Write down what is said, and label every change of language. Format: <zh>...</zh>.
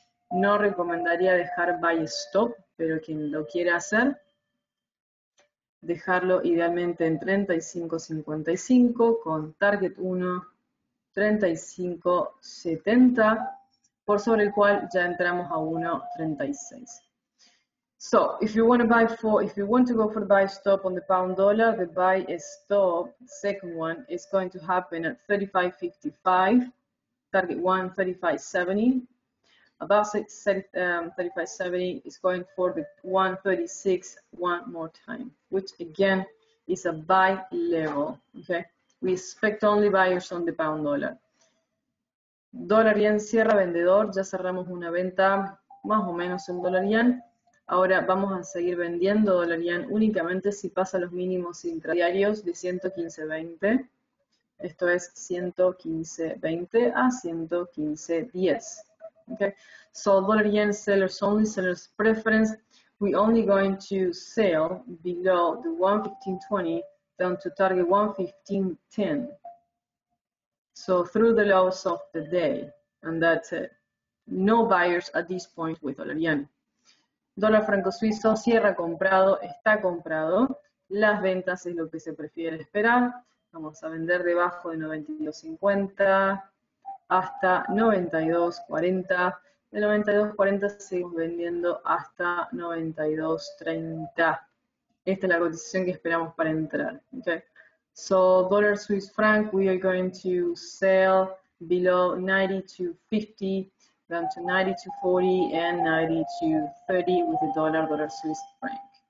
<es>No recomendaría dejar buy stop, pero quien lo quiera hacer, dejarlo idealmente en 35.55 con target 1, 35.70, por sobre el cual ya entramos a 1.36.</es> <en>So, if you want to go for buy stop on the pound dollar, the buy stop, second one, is going to happen at 35.55, target 1, 35.70. Above 35.70 is going for the 1.36 one more time, which again is a buy level, okay? We expect only buyers on the pound dollar.</en> <es>Dólar yen cierra vendedor, ya cerramos una venta más o menos en dólar yen. Ahora vamos a seguir vendiendo dólar yen únicamente si pasa los mínimos intradiarios de 115.20. Esto es 115.20 a 115.10. Okay.</es> <en>So dólar yen sellers only, sellers preference. We only going to sell below the 1.15.20 down to target 1.15.10. So through the lows of the day. And that's it. No buyers at this point with dólar yen.</en> <es>Dólar franco suizo cierra comprado, está comprado. Las ventas es lo que se prefiere esperar. Vamos a vender debajo de 92.50 hasta 92.40. De 92.40 seguimos vendiendo hasta 92.30. Esta es la cotización que esperamos para entrar.</es> <en>Okay. So, dólar Swiss franc, we are going to sell below 92.50, down to 92.40 and 92.30 with the dólar Swiss franc.</en>